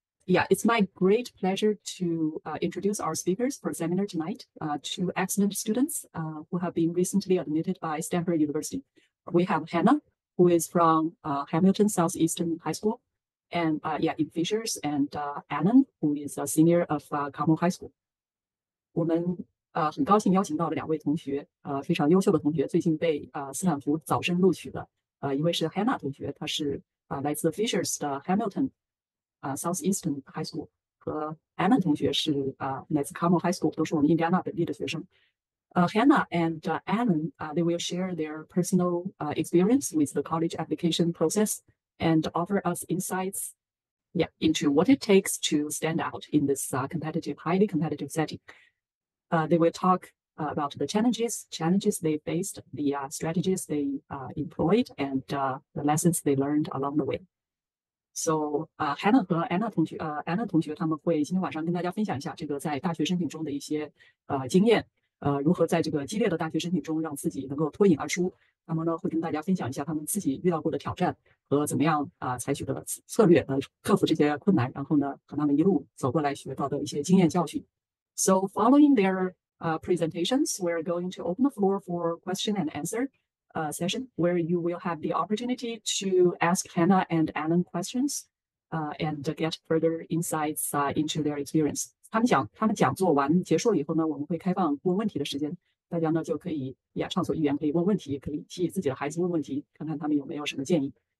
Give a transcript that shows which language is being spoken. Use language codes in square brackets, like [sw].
[en] Yeah, it's my great pleasure to introduce our speakers for seminar tonight, two excellent students who have been recently admitted by Stanford University. We have Hannah, who is from Hamilton Southeastern High School. And yeah, in Fishers and Alan, who is a senior of Carmel High School. [zh] 我们很高兴邀请到了两位同学，非常优秀的同学，最近被斯坦福早生录取的。一位是 Hannah 同学，她是来自 Fishers 的 Hamilton Southeastern High School， 和 Alan 同学是来自 Carmel High School， 都是我们印第安纳本地的学生。 [en] Hannah and Alan, they will share their personal experience with the college application process. And offer us insights, yeah, into what it takes to stand out in this competitive, highly competitive setting. They will talk about the challenges they faced, the strategies they employed, and the lessons they learned along the way. [zh] So, Hannah 和 Anna 同学他们会今天晚上跟大家分享一下这个在大学申请中的一些经验，如何在这个激烈的大学申请中让自己能够脱颖而出。他们呢会跟大家分享一下他们自己遇到过的挑战和怎么样采取的策略克服这些困难，然后呢和他们一路走过来学到的一些经验教训。 [en] So following their presentations, we're going to open the floor for question and answer session where you will have the opportunity to ask Hannah and Alan questions and get further insights into their experience. [zh] 他们讲座完结束以后呢，我们会开放问问题的时间。大家呢就可以也畅所欲言，可以问问题，可以替自己的孩子问问题，看看他们有没有什么建议。